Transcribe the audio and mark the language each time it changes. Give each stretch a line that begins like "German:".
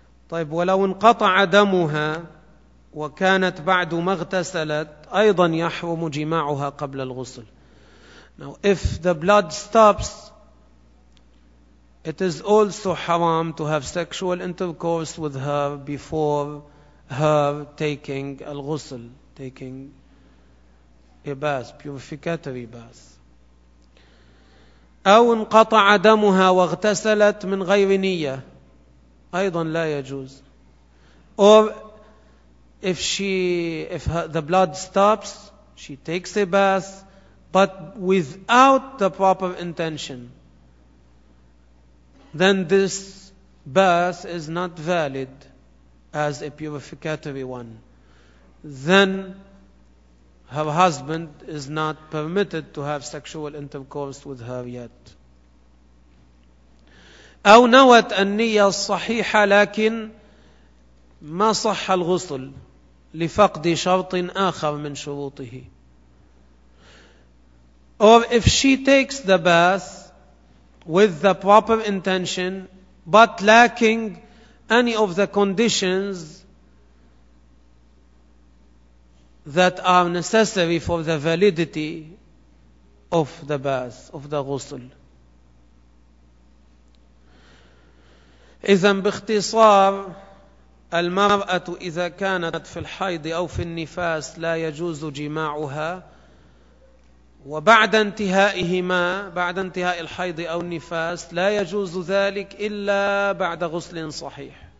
Arabic: طيب ولو انقطع دمها وكانت بعد ما اغتسلت ايضا يحرم جماعها قبل الغسل.
English: Now if the blood stops, it is also haram to have sexual intercourse with her before her taking al-ghusl, taking a bath, purificatory bath.
Arabic: أو انقطع دمها واغتسلت من غير نية أيضا لا يجوز.
English: Or if the blood stops, she takes a bath but without the proper intention, then this bath is not valid as a purificatory one. Then her husband is not permitted to have sexual intercourse with her yet.
Arabic: أو نوت النية الصحيحة لكن ما صح الغسل لفقد شرط آخر من شروطه.
English: Or if she takes the bath with the proper intention, but lacking any of the conditions that are necessary for the validity of the bath, of the ghusl.
Arabic: إذن باختصار المرأة إذا كانت في الحيض أو في النفاس لا يجوز جماعها. وبعد انتهائهما, بعد انتهاء الحيض أو النفاس, لا يجوز ذلك إلا بعد غسل صحيح.